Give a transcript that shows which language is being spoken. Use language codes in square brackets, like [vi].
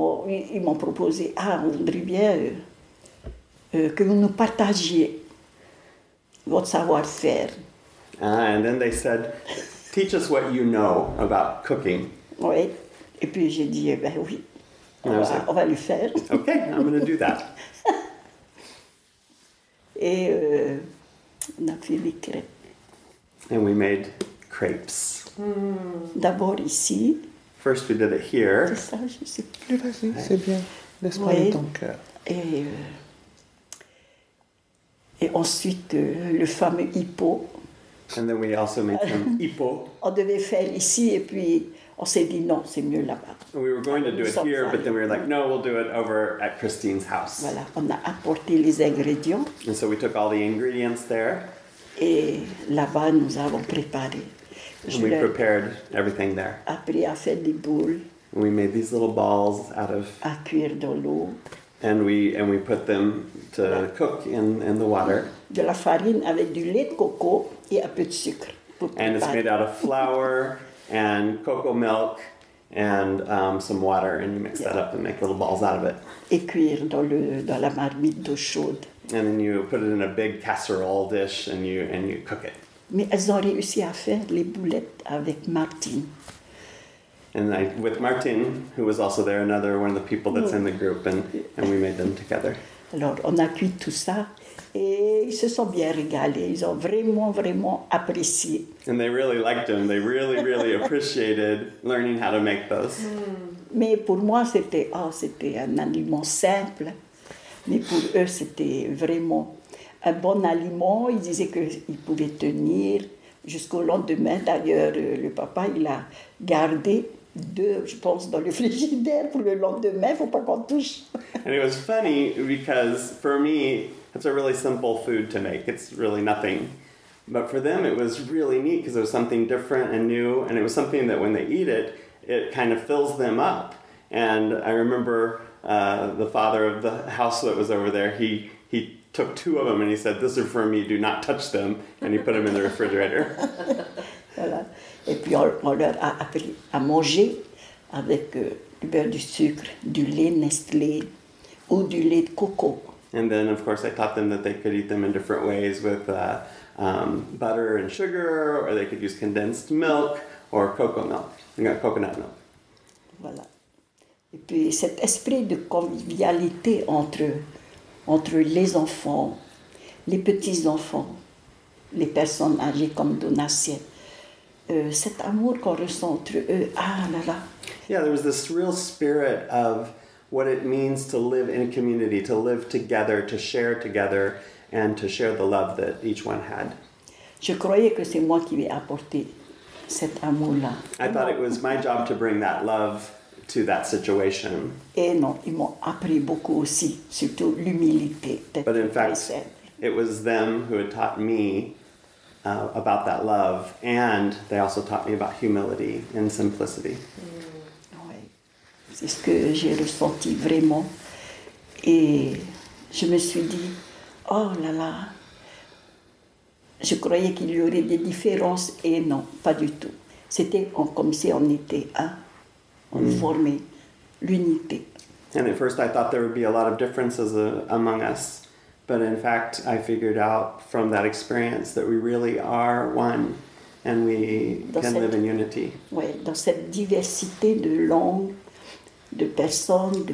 [fr] ils m'ont proposé, on voudrait bien que vous nous partagiez votre savoir-faire. [en] Ah, and then they said, teach us what you know about cooking. [fr] Oui, et puis j'ai dit, eh ben oui, on va le faire. [en] Okay, I'm going to do that. [fr] Et on a fait des crêpes. [en] And we made crepes. [fr] D'abord ici. [en] First we did it here. [fr] C'est ça, je sais plus. Vas-y, ouais. C'est bien. N'est-ce pas, ouais. Donc, Et ensuite, le fameux hippo. [en] And then we also made some hippo. [fr] On devait faire ici et puis on s'est dit non, c'est mieux là-bas. [en] We were going to do it here, but then we were like, no, we'll do it over at Christine's house. [fr] Voilà, on a apporté les ingrédients. [en] And so we took all the ingredients there. [fr] Et là-bas, nous avons préparé. [en] And we prepared everything there. [fr] Appris à faire des boules. [en] We made these little balls out of... [fr] À cuire dans l'eau. [en] And we put them to cook in the water. [fr] De la farine avec du lait de coco et un peu de sucre. [en] And it's made out of flour and cocoa milk and some water. And you mix that up and make little balls out of it. [fr] Et cuire dans la marmite d'eau chaude. [en] And then you put it in a big casserole dish and you cook it. [fr] Mais elles ont réussi à faire les boulettes avec Martine. [en] And with Martine, who was also there, another one of the people that's in the group, and we made them together. [fr] Alors, on a cuit tout ça, et ils se sont bien régalés. Ils ont vraiment, vraiment apprécié. [en] And they really liked them. They really, really appreciated learning how to make those. [fr] Mais pour moi, c'était un aliment simple. Mais pour eux, c'était vraiment un bon aliment. Ils disaient qu'ils pouvaient tenir. Jusqu'au lendemain, d'ailleurs, le papa, il a gardé deux, je pense, dans le frigidaire pour le lendemain, il ne faut pas qu'on touche. [en] And it was funny because, for me, it's a really simple food to make. It's really nothing. But for them, it was really neat because it was something different and new. And it was something that when they eat it, it kind of fills them up. And I remember the father of the house that was over there, he took two of them and he said, "This are for me, do not touch them." And he put them in the refrigerator. [fr] Voilà. Et puis on leur a appris à manger avec du beurre, du sucre, du lait Nestlé ou du lait de coco. [en] And then, of course, I taught them that they could eat them in different ways with butter and sugar, or they could use condensed milk or cocoa milk, coconut milk. [fr] Voilà. Et puis cet esprit de convivialité entre les enfants, les petits-enfants, les personnes âgées comme Donatien, cet amour qu'on ressent entre eux, ah là là. [en] Yeah, there was this real spirit of what it means to live in community, to live together, and to share the love that each one had. [fr] Je croyais que c'est moi qui vais apporter cet amour-là. [en] I thought it was my job to bring that love to that situation. [fr] Et non, ils m'ont appris beaucoup aussi, surtout l'humilité. [en] But in fact, it was them who had taught me about that love, and they also taught me about humility and simplicity. [fr] Oui. C'est ce que j'ai ressenti vraiment. Et je me suis dit, oh là là, je croyais qu'il y aurait des différences, et non, pas du tout. C'était comme si on était un. Former l'unité. [en] And at first I thought there would be a lot of differences among us, but in fact I figured out from that experience that we really are one and we live in unity. [fr] Oui, dans cette diversité de langues, de personnes, de